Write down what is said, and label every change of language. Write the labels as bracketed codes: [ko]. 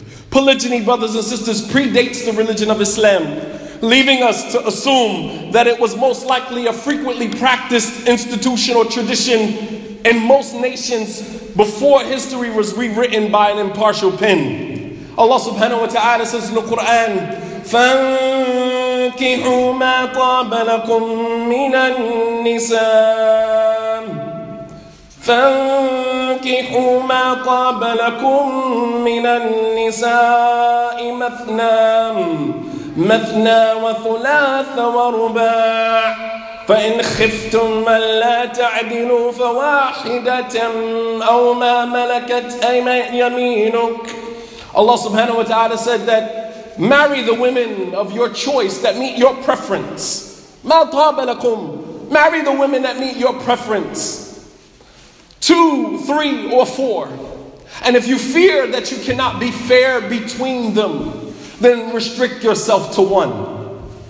[en] Polygyny, brothers and sisters, predates the religion of Islam, leaving us to assume that it was most likely a frequently practiced institution or tradition in most nations before history was rewritten by an impartial pen. Allah subhanahu wa ta'ala says in the Quran, [ar] فَانْكِحُوا مَا طَابَ لَكُمْ مِنَ النِّسَاءِ فَانْكِحُوا مَا طَابَ لَكُمْ مِنَ النِّسَاءِ مثنى وثلاث ورباع فإن خفتم من لا تعدلوا فواحدة أو ما ملكت يمينك. [en] Allah subhanahu wa ta'ala said that marry the women of your choice that meet your preference. [ar] مَا طَابَ لَكُمْ. [en] Marry the women that meet your preference. 2, 3, or 4. And if you fear that you cannot be fair between them, then restrict yourself to one.